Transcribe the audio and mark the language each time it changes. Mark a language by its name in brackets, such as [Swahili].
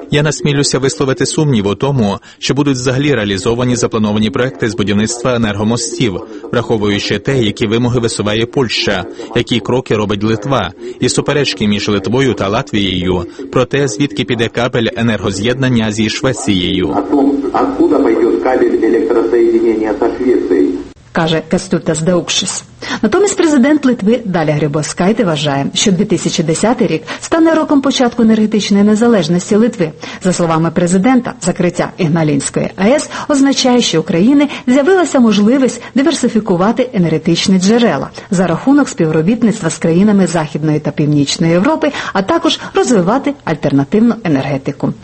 [Ukrainian] Я насмілюся висловити сумнів у тому, що будуть взагалі реалізовані заплановані проекти з будівництва енергомостів, враховуючи те, які вимоги висуває Польща, які кроки робить Литва, і суперечки між Литвою та Латвією про те, звідки піде кабель енергоз'єднання зі Швецією. [Russian] Откуда пойдет кабель электросоединения со Швецией? [Ukrainian] Каже Кастутіс Даукшис. Натомість президент Литви Даля Грибоскайте вважає, що 2010 рік стане роком початку енергетичної незалежності Литви. За словами президента, закриття Ігналінської АЕС означає, що у країни з'явилася можливість диверсифікувати енергетичні джерела за рахунок співробітництва з країнами Західної та Північної Європи, а також розвивати альтернативну енергетику.